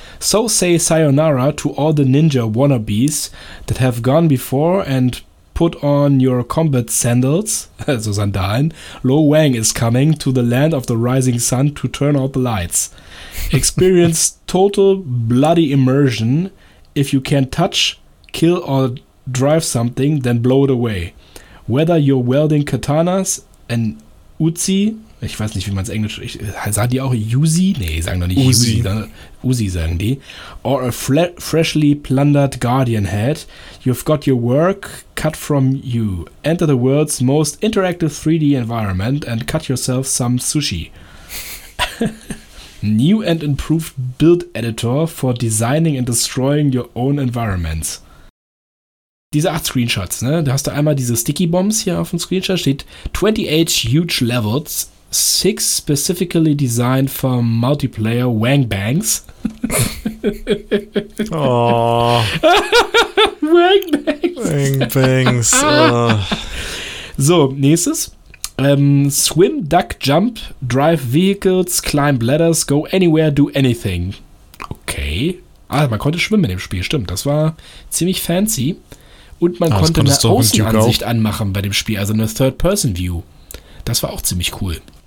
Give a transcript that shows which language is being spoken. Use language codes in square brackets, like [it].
[en] So say sayonara to all the ninja wannabes that have gone before and put on your combat sandals, [de] also Sandalen. [en] Lo Wang is coming to the land of the rising sun to turn out the lights. Experience total bloody immersion. If you can't touch, kill or drive something, then blow it away. Whether you're wielding katanas, an Uzi, [de] ich weiß nicht, wie man es Englisch, sagen die auch Uzi? Nee, sagen doch nicht Uzi. Uzi sagen die. [en] Or a freshly plundered guardian head, you've got your work cut from you. Enter the world's most interactive 3D environment and cut yourself some sushi. New and improved build editor for designing and destroying your own environments. [de] Diese 8 Screenshots, ne? Da hast du einmal diese Sticky Bombs hier auf dem Screenshot, steht [en] 28 huge levels, 6 specifically designed for multiplayer Wang Bangs. Oh. Wang Bangs. Wang Bangs. [de] So, nächstes. [en] Swim, duck, jump, drive vehicles, climb ladders, go anywhere, do anything. Okay. [de] Also man konnte schwimmen in dem Spiel, stimmt. Das war ziemlich fancy. Und man konnte eine Außenansicht anmachen bei dem Spiel, also eine Third-Person-View. Das war auch ziemlich cool.